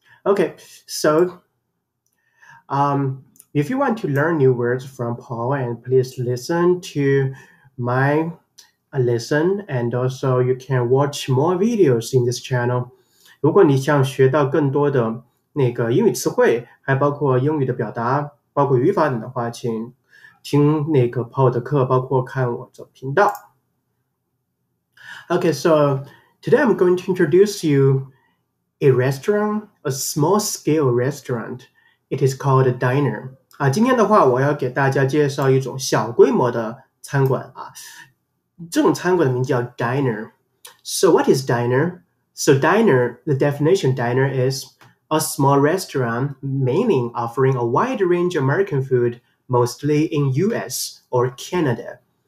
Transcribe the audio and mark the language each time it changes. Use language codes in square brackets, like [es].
[en] Okay, so if you want to learn new words from Paul, and please listen to my lesson, and also you can watch more videos in this channel. [zh] 如果你想学到更多的那个英语词汇，还包括英语的表达，包括语法等的话，请听那个 Paul 的课，包括看我的频道。 [en] Okay, so today I'm going to introduce you a restaurant, a small-scale restaurant. It is called a diner. [zh] 啊，今天的话，我要给大家介绍一种小规模的餐馆啊。这种餐馆的名字叫 diner. [en] So what is diner? So diner, the definition diner is a small restaurant, mainly offering a wide range of American food, mostly in US or Canada.